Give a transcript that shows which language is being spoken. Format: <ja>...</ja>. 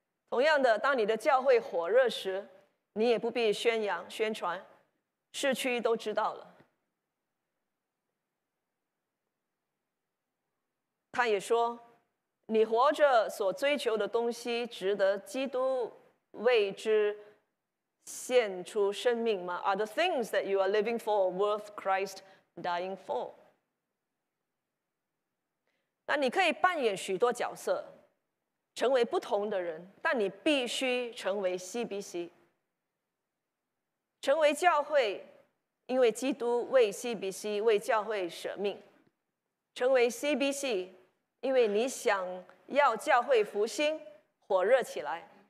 <zh>同样的，当你的教会火热时，你也不必宣扬宣传，市区都知道了。他也说，你活着所追求的东西值得基督为之献出生命吗？</zh> <en>Are the things that you are living for worth Christ dying for?</en> <zh>那你可以扮演许多角色，成为不同的人，但你必须成为 CBC， 成为教会，因为基督为 CBC 为教会舍命，成为 CBC， 因为你想要教会复兴火热起来。</zh>